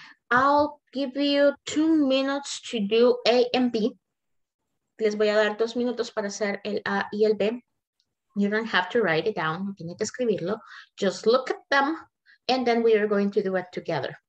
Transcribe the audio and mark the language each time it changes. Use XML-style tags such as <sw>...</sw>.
<en>I'll give you 2 minutes to do A and B.</en> <es>Les voy a dar 2 minutos para hacer el A y el B.</es> <en>You don't have to write it down.</en> <es>No tiene que escribirlo.</es> <en>Just look at them, and then we are going to do it together.</en>